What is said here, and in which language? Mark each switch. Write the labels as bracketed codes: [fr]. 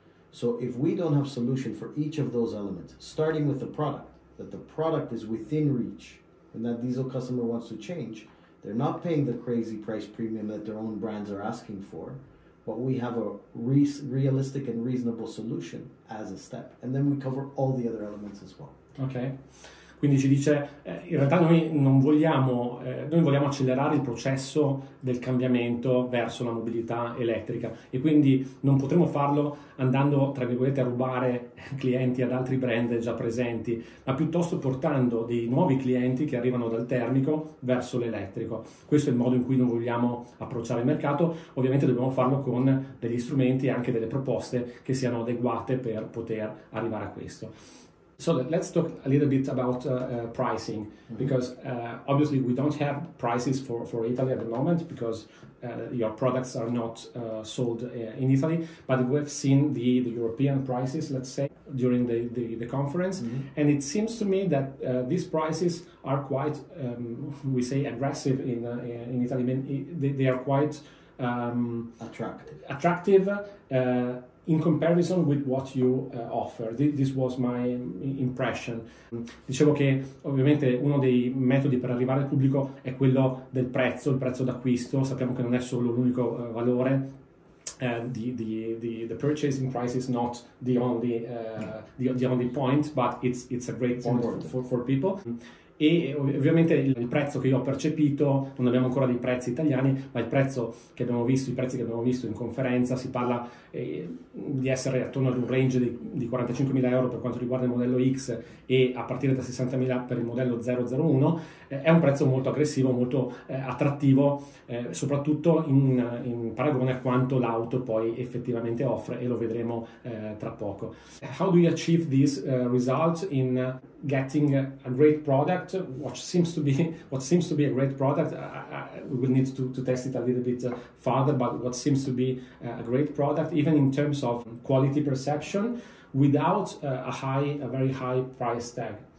[en] So if we don't have solution for each of those elements, starting with the product, that the product is within reach, and that diesel customer wants to change, they're not paying the crazy price premium that their own brands are asking for, but we have a realistic and reasonable solution as a step. And then we cover all the other elements as well. Okay. [it] Quindi ci dice, in realtà noi non vogliamo, noi vogliamo accelerare il processo del cambiamento verso la mobilità elettrica e quindi non potremo farlo andando, tra virgolette, a rubare clienti ad altri brand già presenti, ma piuttosto portando dei nuovi clienti che arrivano dal termico verso l'elettrico. Questo è il modo in cui noi vogliamo approcciare il mercato. Ovviamente dobbiamo farlo con degli strumenti e anche delle proposte che siano adeguate per poter arrivare a questo. [en] So let's talk a little bit about pricing, mm-hmm. because obviously we don't have prices for Italy at the moment because your products are not sold in Italy, but we've seen the European prices, let's say, during the conference, mm-hmm. and it seems to me that these prices are quite, we say, aggressive in Italy. I mean, they are quite attractive. In comparison with what you offer. This was my impression. [it] Dicevo che ovviamente uno dei metodi per arrivare al pubblico è quello del prezzo, il prezzo d'acquisto. Sappiamo che non è solo l'unico valore. [en] The purchasing price is not the only the only point, but it's a great point for people. [it] E ovviamente il prezzo che io ho percepito, non abbiamo ancora dei prezzi italiani, ma il prezzo che abbiamo visto, i prezzi che abbiamo visto in conferenza, si parla di essere attorno ad un range di 45.000 euro per quanto riguarda il modello X e a partire da 60.000 per il modello 001, è un prezzo molto aggressivo, molto attrattivo, soprattutto in paragone a quanto l'auto poi effettivamente offre, e lo vedremo tra poco. [en] How do you achieve this result in getting a great product, what seems to be a great product? We will need to test it a little bit further, but what seems to be a great product, even in terms of quality perception, without a very high price tag?